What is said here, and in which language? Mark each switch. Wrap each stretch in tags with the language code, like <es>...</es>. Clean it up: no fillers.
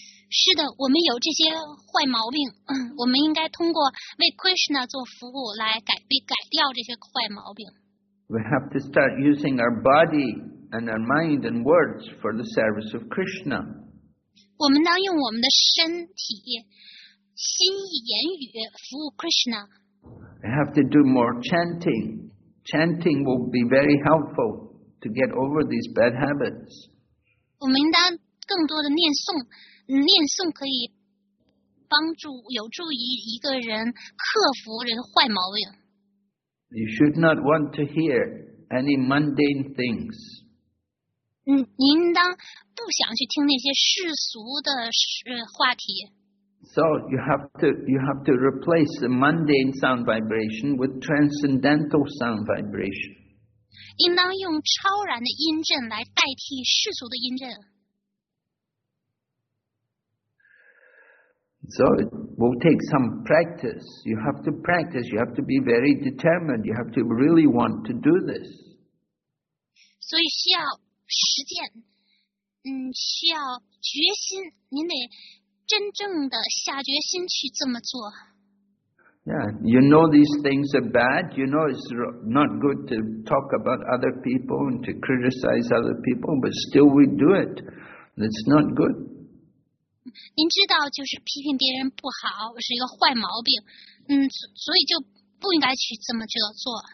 <zh>是的，我们有这些坏毛病，我们应该通过为 Krishna 做服务来改掉这些坏毛病。</zh> <en>We have to start using our body and our mind and words for the service of Krishna.</en> <zh>我们当用我们的身体。心意言语服务 Krishna.</zh> <en>I have to do more chanting. Chanting will be very helpful to get over these bad habits.</en> <zh>我们应当更多的念诵，念诵可以帮助，有助于一个人克服人坏毛病。</zh> <en>You should not want to hear any mundane things.</en> <zh>您应当不想去听那些世俗的话题。</zh> <en>So you have to replace the mundane sound vibration with transcendental sound vibration.</en> <zh>应当用超然的音阵来代替世俗的音阵。</zh> <en>So it will take some practice. You have to practice. You have to be very determined. You have to really want to do this.</en> <zh>所以需要实践，需要决心。你得真正的下决心去这么做。</zh> <en>Yeah, you know these things are bad. You know it's not good to talk about other people and to criticize other people, but still we do it. It's not good.</en> <zh>您知道就是批评别人不好是一个坏毛病，所以就不应该去这么做。</zh>